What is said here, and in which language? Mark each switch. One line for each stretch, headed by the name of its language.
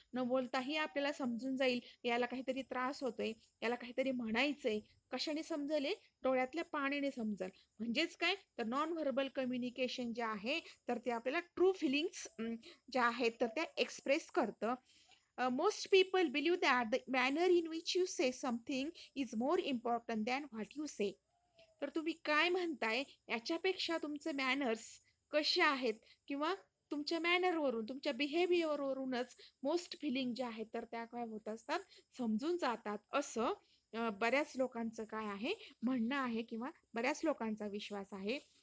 Marathi: न बोलताही आपल्याला समजून जाईल याला काहीतरी त्रास होतोय, याला काहीतरी म्हणायचंय. कशाने समजले? डोळ्यातल्या पाण्याने समजल. म्हणजेच काय? तर नॉन व्हर्बल कम्युनिकेशन जे आहे तर ते आपल्याला ट्रू फिलिंग्स ज्या आहेत तर त्या एक्सप्रेस करतं.
English: Most people believe that the manner in which you say something is more important than what you say.
Marathi: तर तुम्ही काय म्हणताय याच्यापेक्षा तुमचे मॅनर्स कसे आहेत, किंवा तुमच्या मॅनरवरून, तुमच्या बिहेवियरवरूनच मोस्ट फिलिंग ज्या आहेत तर त्या काय होत असतात, समजून जातात, असं बऱ्याच लोकांचं काय आहे म्हणणं आहे, किंवा बऱ्याच लोकांचा विश्वास आहे.